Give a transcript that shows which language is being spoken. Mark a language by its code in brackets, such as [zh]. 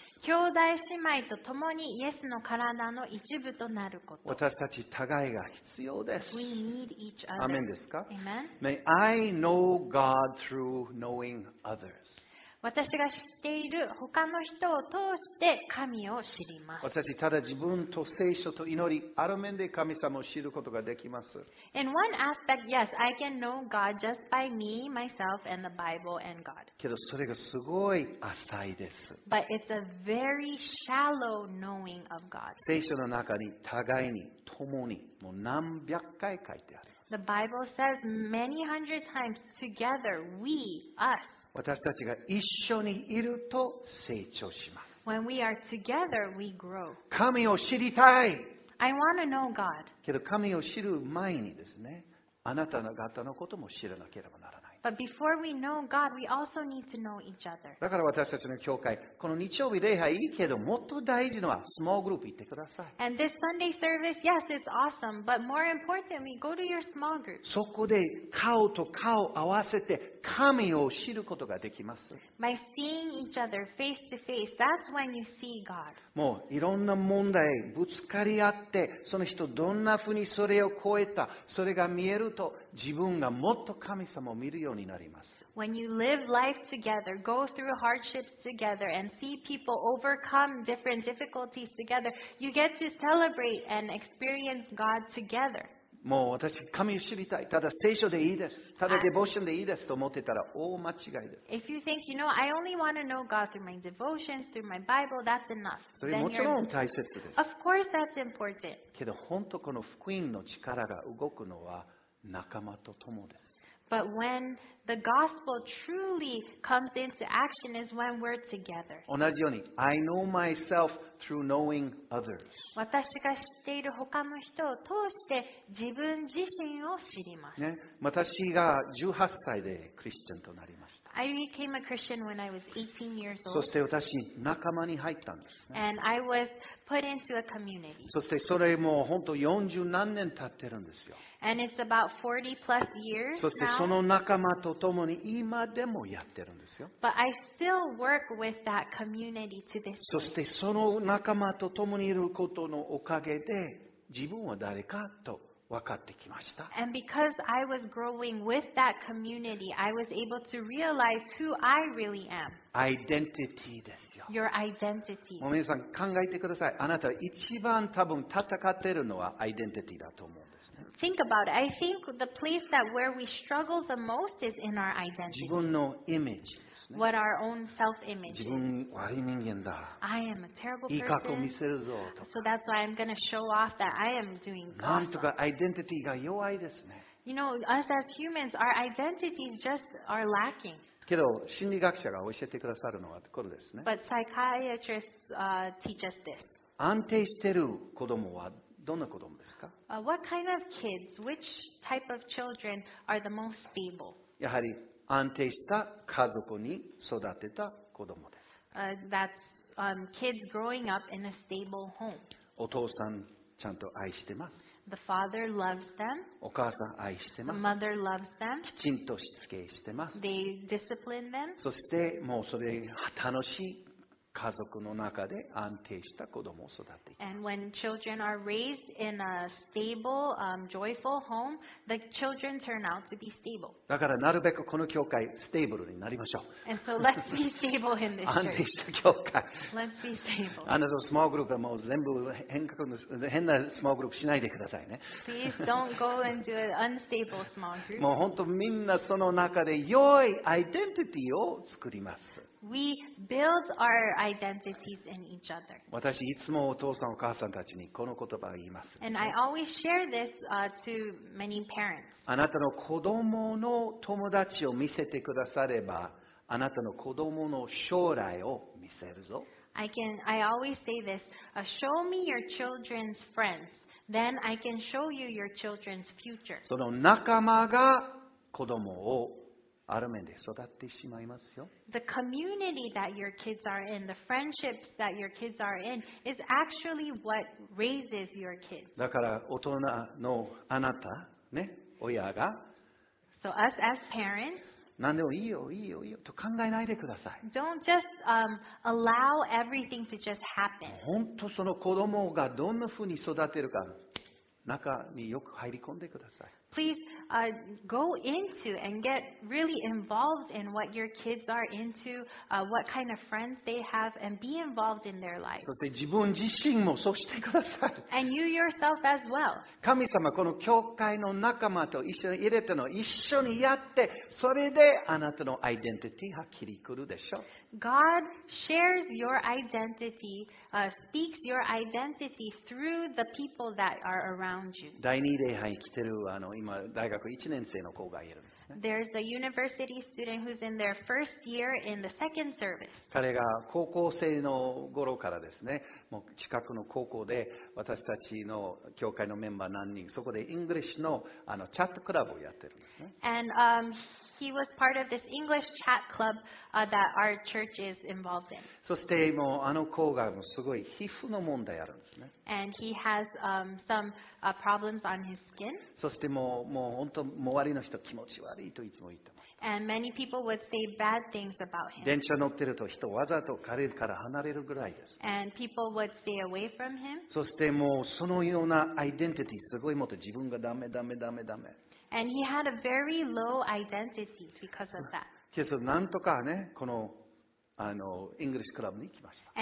[ja] 兄弟姉妹と共にイエスの体の一部となること。私たち互いが必要です。 [en] We need each other. [ja] アメンですか? [en] Amen. May I know God through knowing others. [ja] 私が知っている他の人を通して神を知ります。私ただ自分と聖書と祈り、ある面で神様を知ることができます。 [en] In one aspect, yes, I can know God just by me, myself, and the Bible and God. [ja] けどそれがすごい浅いです。 [en] But it's a very shallow knowing of God. [ja] 聖書の中に互いに共にもう何百回書いてあります。 [en] The Bible says many hundred times together, we, us. [ja] 私たちが一緒にいると成長します。 [en] When we are together, we grow. [ja] 神を知りたい。 [en] I want to know God. [ja] けど神を知る前にですね、あなた方のことも知らなければならない。 [en] But before we know God, we also need to know each other. [ja] だから私たちの教会、この日曜日礼拝いいけど、もっと大事のはスモールグループ行ってください。 [en] And this Sunday service, yes, it's awesome. But more importantly, go to your small group. [ja] そこで顔と顔合わせて神を知ることができます。 [en] By seeing each other face to face, that's when you see God. [ja] もういろんな問題ぶつかり合って、その人どんなふうにそれを超えた、それが見えると、自分がもっと神様を見るようになります。 [en] When you live life together, go through hardships together, and see people overcome different difficulties together, you get to celebrate and experience God together. [ja] もう私、神を知りたい。ただ聖書でいいです。ただデボーションでいいですと思ってたら大間違いです。 [en] If you think, you know, I only want to know God through my devotions, through my Bible, that's enough. [ja] それもちろん大切です。 [en] Of course, that's important. [ja] けど本当この福音の力が動くのは仲間と共です。 [en] But when the gospel truly comes into action is when we're together. [ja] 同じように、 [en] I know myself through knowing others. [ja] 私が知っている他の人を通して自分自身を知ります。ね、私が18歳でクリスチャンとなりました。 [en] I became a Christian when I was 18 years old. [ja] そして私、仲間に入ったんです、ね。 [en] And I was put into a community. [ja] そしてそれも本当40何年経ってるんですよ。 [en] And it's about 40 plus years now. [ja] そしてその仲間と共に今でもやってるんですよ。 [en] But I still work with that community to this day. [ja] そしてその仲間と共にいることのおかげで自分は誰かと分かってきました。 [en] And because I was growing with that community, I was able to realize who I really am. [ja] Identity ですよ。 [en] Your identity. [ja] もう皆さん考えてください。あなた一番多分戦ってるのは identity だと思う。 [en] Think about it. I think the place that where we struggle the most is in our identity. [ja] 自分のイメージですね。 [en] What our own self-image is. [ja] 自分悪い人間だ。 [en] I am a terrible person. [ja] いい格好見せるぞとか。 [en] So that's why I'm going to show off that I am doing good. [ja] なんとか identity が弱いですね。 [en] You know, us as humans, our identities just are lacking. [ja] けど心理学者が教えてくださるのはこれですね。 [en] But psychiatrists, teach us this. [ja] 安定してる子供はどんな子供ですか? [en] What kind of kids, which type of children are the most stable? [ja] やはり安定した家族に育てた子供です。 [en] That's kids growing up in a stable home. [ja] お父さんちゃんと愛してます。 [en] The father loves them. [ja] お母さん愛してます。 [en] The mother loves them. [ja] きちんとしつけしてます。 [en] They discipline them. [ja] そしてもうそれ楽しい。家族の中で安定した子供を育てています。 [en] And when children are raised in a stable, joyful home, the children turn out to be stable. [ja] だからなるべくこの教会ステーブルになりましょう。 [en] And so let's be stable in this church. [ja] 安定した教会。 [en] Let's be stable. [ja] あなたのスモールグループはもう全部変なスモールグループしないでくださいね。 [en] Please don't go into an unstable small group. [ja] もう本当みんなその中で良いアイデンティティを作ります。 [en] We build our identities in each other. [ja] 私いつもお父さんお母さんたちにこの言葉を言います。 [en] And I always share this to many parents. [ja] あなたの子供の友達を見せてくだされば、あなたの子供の将来を見せるぞ。 [en] I always say this, show me your children's friends, then I can show you your children's future. [ja] その仲間が子供をある面で育ってしまいますよ。 [en] The community that your kids are in, the friendships that your kids are in, is actually what raises your kids. [ja] だから大人のあなた、ね、親が、 [en] So us as parents, [ja] 何でもいいよ、いいよ、いいよと考えないでください。 [en] Don't just, allow everything to just happen. [ja] 本当その子供がどんなふうに育てるか、中によく入り込んでください。 [en] Please, go into and get really involved in what your kids are into, what kind of friends they have, and be involved in their life. [ja] そして自分自身もそうしてください。 [en] And you yourself as well. [ja] 神様この教会の仲間と一緒に入れての一緒にやって、それであなたのアイデンティティはっきりくるでしょう。 [en] God shares your identity, speaks your identity through the people that are around you. [ja] 第二礼拝来てる今大学1年生の子がいるんですね。 [en] There's a university student who's in their first year in the second service. [ja] 彼が高校生の頃からですね、もう近くの高校で私たちの教会のメンバー何人、そこでイングリッシュ のチャットクラブをやってるんですね。 [en] And, he was part of this English chat club, that our church is involved in. [ja] そしてもうあの子がすごい皮膚の問題あるんですね。 [en] And he has, some, problems on his skin. [ja] そしてもう本当周りの人気持ち悪いといつも言ってます。 [en] And many people would say bad things about him. [ja] 電車乗ってると人わざと彼から離れるぐらいです。 [en] And people would stay away from him. [ja] そしてもうそのようなアイデンティティすごいもっと自分がダメダメダメダメ。 [en] And he had a very low identity because of that. [ja] So, なんとかね、この、イングリッシュクラブに行きました。